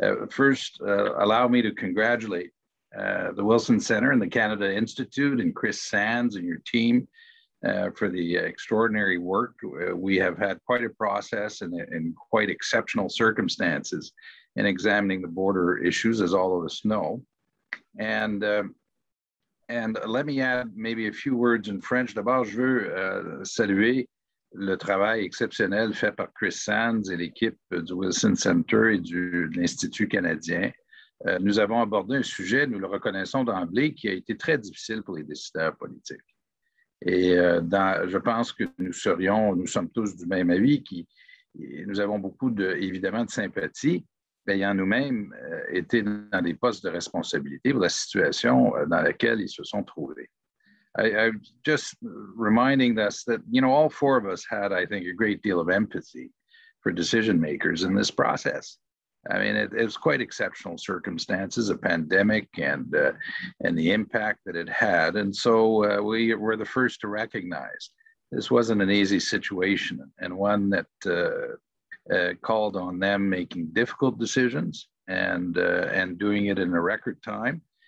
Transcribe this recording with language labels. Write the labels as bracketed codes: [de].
[en] First, allow me to congratulate the Wilson Center and the Canada Institute and Chris Sands and your team for the extraordinary work. We have had quite a process and in quite exceptional circumstances in examining the border issues, as all of us know. And let me add maybe a few words in French. [fr] D'abord, je veux saluer le travail exceptionnel fait par Chris Sands et l'équipe du Wilson Center et de l'Institut canadien. Nous avons abordé un sujet, nous le reconnaissons d'emblée, qui a été très difficile pour les décideurs politiques. Et je pense que nous sommes tous du même avis, nous avons beaucoup, évidemment, de sympathie. Ayant nous-mêmes été dans des postes de responsabilité pour la situation dans laquelle ils se sont trouvés. [en] I'm just reminding us that, you know, all four of us had, I think, a great deal of empathy for decision makers in this process. I mean, it was quite exceptional circumstances, a pandemic and the impact that it had. And so we were the first to recognize this wasn't an easy situation and one that called on them making difficult decisions and doing it in a record time.